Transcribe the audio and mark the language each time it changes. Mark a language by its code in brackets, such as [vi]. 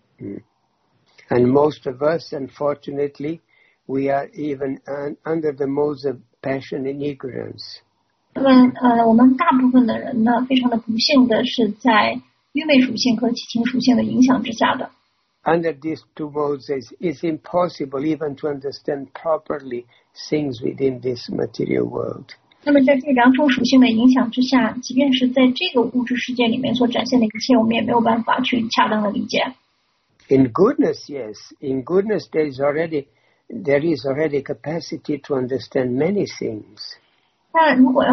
[en] most of us, unfortunately, we are even under the modes of passion and ignorance. [zh] 那么我们大部分的人呢，非常的不幸的是在愚昧属性和七情属性的影响之下的。 [en] Under these two modes, it's impossible even to understand properly things within this material world. [zh] 那么在这两种属性的影响之下，即便是在这个物质世界里面所展现的一切，我们也没有办法去恰当的理解。 [en] In goodness, yes. In goodness, there is already capacity to understand many things.